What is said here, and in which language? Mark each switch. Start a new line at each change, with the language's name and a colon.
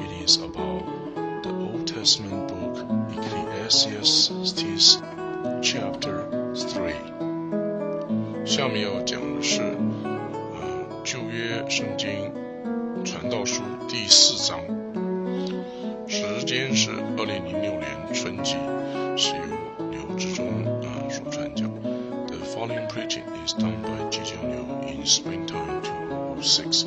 English: It is about the Old Testament book Ecclesiastes chapter 3.
Chinese: 下面要讲的是旧约圣经传道书第四章，时间是2006年春季，是由刘志忠所传讲。
English: The following preaching is done by Ji Jiang Liu in springtime 2006.